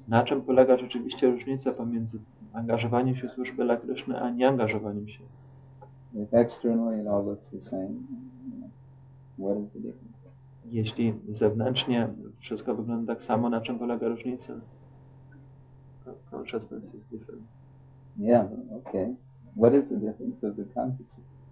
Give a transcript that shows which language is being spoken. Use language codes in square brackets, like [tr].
[pl] Na czym polega rzeczywiście różnica pomiędzy angażowaniem się w służbę dla Krishna a nieangażowaniem się? [en] If externally it all looks the same, what is the difference? [pl] Jeśli zewnętrznie wszystko wygląda tak samo, na czym polega różnica? [en] Consciousness is different. Yeah, okay. What is the difference of the consciousness?